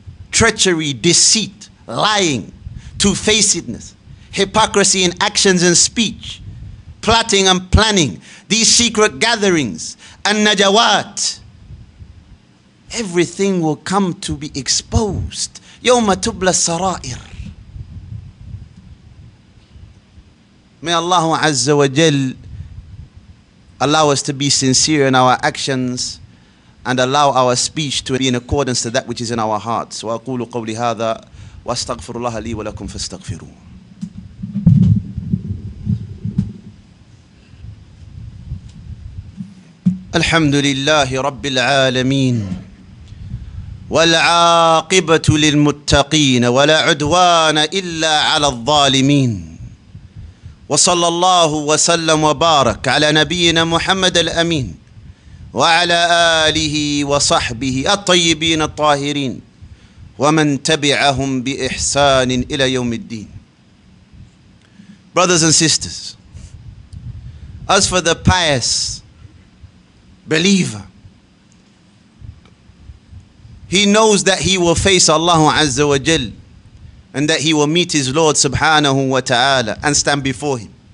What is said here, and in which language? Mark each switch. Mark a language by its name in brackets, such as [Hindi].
[English] Treachery, deceit, lying, two-facedness, hypocrisy in actions and speech, plotting and planning, these secret gatherings, and najawat, everything will come to be exposed. [Arabic] يوم تبلى السرائر. [English] May Allah Azza wa Jal allow us to be sincere in our actions and allow our speech to be in accordance to that which is in our hearts. [Arabic] وأقول قولي هذا واستغفر الله لي ولكم فاستغفروه. الحمد لله رب العالمين والعاقبة للمتقين ولا عدوان إلا على الظالمين وصلى الله وسلم وبارك على نبينا محمد الأمين وعلى آله وصحبه الطيبين الطاهرين ومن تبعهم بإحسان إلى يوم الدين. [English] Brothers and sisters, as for the pious believer, he knows that he will face Allah Azza wa Jal and that he will meet his Lord Subhanahu wa Ta'ala and stand before him.